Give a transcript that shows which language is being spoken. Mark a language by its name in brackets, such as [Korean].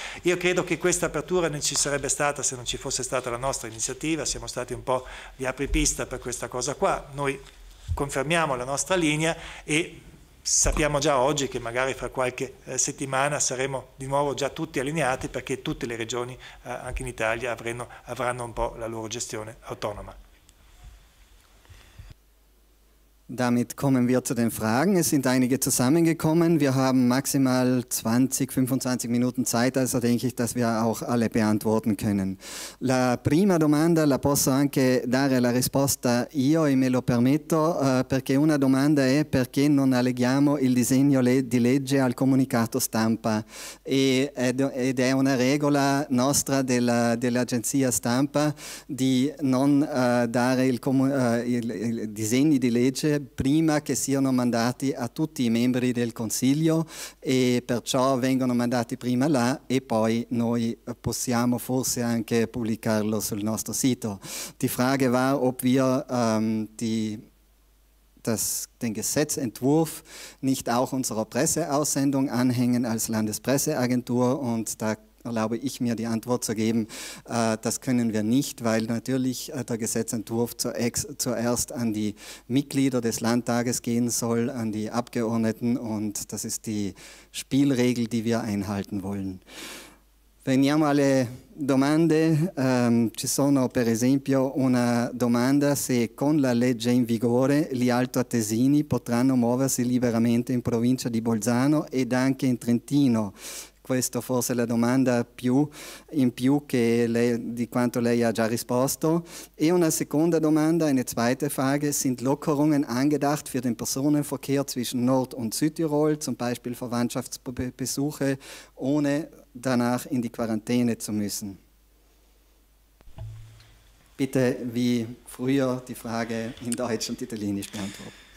[Italian] Io credo che questa apertura non ci sarebbe stata se non ci fosse stata la nostra iniziativa, siamo stati un po' di apripista per questa cosa qua. Noi confermiamo la nostra linea e sappiamo già oggi che magari fra qualche settimana saremo di nuovo già tutti allineati, perché tutte le regioni anche in Italia avranno un po' la loro gestione autonoma. [German] Damit kommen wir zu den Fragen. Es sind einige zusammengekommen. Wir haben maximal 20, 25 Minuten Zeit, also denke ich, dass wir auch alle beantworten können. [Italian] La prima domanda la posso anche dare la risposta io e me lo permetto, perché una domanda è perché non alleghiamo il disegno di legge al comunicato stampa. Ed è una regola nostra dell'agenzia stampa di non dare il disegno di legge prima che siano mandati a tutti i membri del Consiglio, e perciò vengono mandati prima là e poi noi possiamo forse anche pubblicarlo sul nostro sito. [German] Die Frage war, ob wir den Gesetzentwurf nicht auch unserer Presseaussendung anhängen als Landespresseagentur, und da erlaube ich mir die Antwort zu geben, das können wir nicht, weil natürlich der Gesetzentwurf zuerst an die Mitglieder des Landtages gehen soll, an die Abgeordneten, und das ist die Spielregel, die wir einhalten wollen. [Italian] Veniamo alle domande. Ci sono per esempio una domanda se con la legge in vigore gli altoatesini potranno muoversi liberamente in provincia di Bolzano ed anche in Trentino. Questa forse è la domanda più in più che lei, di quanto lei ha già risposto. E una seconda domanda, [German] eine zweite Frage: sind Lockerungen angedacht für den Personenverkehr zwischen Nord- und Südtirol, zum Beispiel Verwandtschaftsbesuche ohne danach in die Quarantäne zu müssen? Bitte wie früher die Frage in Deutsch und Italienisch beantworten.